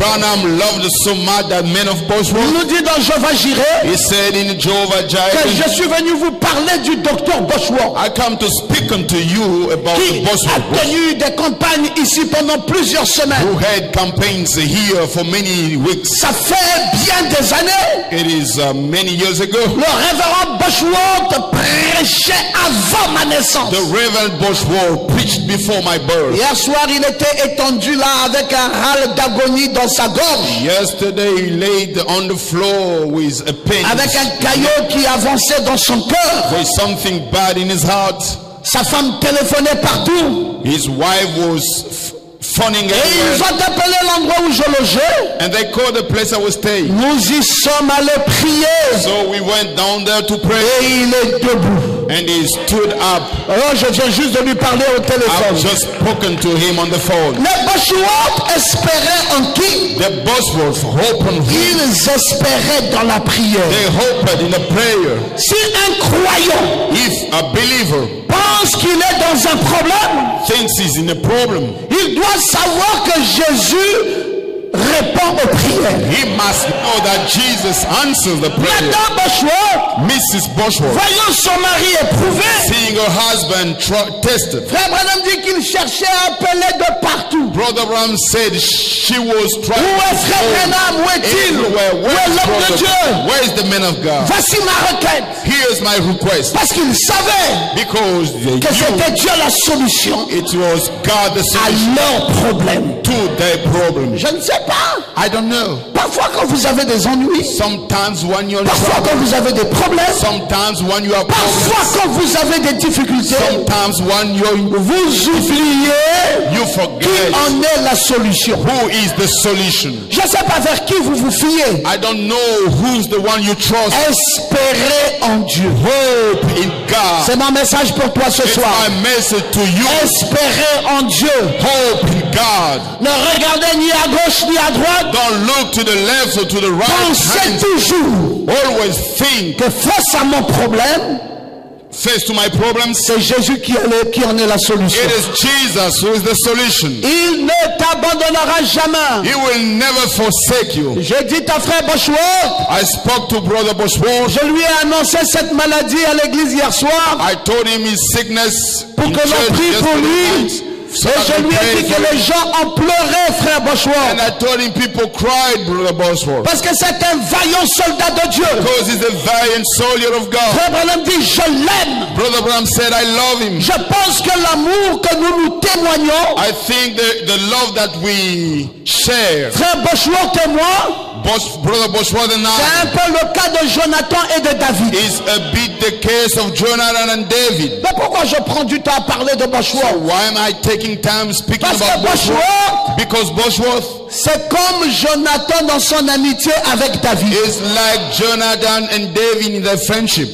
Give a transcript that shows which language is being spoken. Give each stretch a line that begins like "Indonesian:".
English: Branham loved so much that man of Boshua.
French: Il nous dit dans Jehovah Jireh.
English: He said in Jehovah Jireh.
French: Que je suis venu vous parler du docteur Boshua.
English: I come to speak unto you about
French: qui
English: Boshua.
French: A tenu des campagnes ici pendant plusieurs semaines.
English: Who had campaigns here for many weeks.
French: Ça fait bien des années.
English: It is many years ago.
French: Le révérend Boshua te prêchait avant ma naissance.
English: The Reverend Boshua preached before my birth.
French: Hier soir, il était étendu là avec un râle d'agonie dans sa gorge.
English: Yesterday, he laid on the floor with a pain.
French: Avec un caillou qui avançait dans son cœur.
English: With something bad in his heart.
French: Sa femme téléphonait partout.
English: His wife was phoning everywhere.
French: Et ils ont appelé l'endroit où je logeais.
English: And they called the place I was staying.
French: Nous y sommes allés prier.
English: So we went down there to pray.
French: Et il est debout.
English: And he stood up.
French: Oh, je viens juste de lui parler au téléphone.
English: I've just spoken to him on the phone.
French: Le Boshua espérait en qui?
English: The Boshua hoped on
French: him. Ils espéraient dans la prière.
English: They hoped in the prayer.
French: Si un croyant,
English: if a believer,
French: pense qu'il est dans un problème,
English: thinks he's in a problem,
French: il doit savoir que Jésus répond aux prières.
English: He must know that Jesus answers the prayer.
French: Madame Boshua,
English: Mrs. Boshua,
French: voyant son mari éprouvé,
English: seeing her husband tested,
French: Frère Branham dit qu'il cherchait à appeler de partout.
English: Brother Branham said she was trying.
French: Où est Frère Branham? Où est-il? Où est l'homme de Dieu?
English: Where is the man of God?
French: Voici ma requête.
English: Here's my request.
French: Parce qu'il savait,
English: because
French: que
English: you,
French: c'était Dieu la solution.
English: It was God the solution.
French: À leur problème.
English: To their problem.
French: Je ne sais pas.
English: I don't know.
French: Parfois quand vous avez des ennuis.
English: Sometimes when you're
French: parfois
English: trouble,
French: quand vous avez des problèmes.
English: Sometimes when you have
French: parfois
English: problems,
French: quand vous avez des difficultés.
English: Sometimes when you're
French: vous oubliez.
English: You forget.
French: Qui en est la solution?
English: Who is the solution?
French: Je ne sais pas vers qui vous vous fiez.
English: I don't know who's the one you trust.
French: Espérez en Dieu.
English: Hope in God.
French: C'est mon message pour toi ce
English: It's
French: soir.
English: My message to you.
French: Espérez en Dieu.
English: Hope in God.
French: Ne regardez ni à gauche ni à droite.
English: Don't look to the left or to the right.
French: Pensez hand. Toujours.
English: Always think.
French: Que face à mon problème,
English: face to my problems,
French: c'est Jésus qui en est la solution.
English: It is Jesus who is the solution.
French: Il ne t'abandonnera jamais.
English: He will never forsake you.
French: J'ai dit à frère Boshua.
English: I spoke to brother Boshua.
French: Je lui ai annoncé cette maladie à l'église hier soir.
English: I told him his sickness.
French: Pour que l'on prie pour lui. Et je lui ai dit que les gens ont pleuré, frère Bosworth.
English: And I told him people cried, brother Bosworth.
French: Parce que c'est un vaillant soldat de Dieu.
English: Because he's a valiant soldier of God.
French: Frère Branham dit, je l'aime.
English: Brother Branham said, I love him.
French: Je pense que l'amour que nous témoignons.
English: I think the love that we share.
French: Frère Bosworth et moi.
English: Brother Bosworth and I.
French: C'est un peu le cas de Jonathan et de David.
English: Is a bit the case of Jonathan and David.
French: Mais pourquoi je prends du temps à parler de Bosworth?
English: So why am I taking time speaking
French: Parce
English: about Bosworth? Because Bosworth.
French: C'est comme Jonathan dans son amitié avec David.
English: It's like Jonathan and David in their friendship.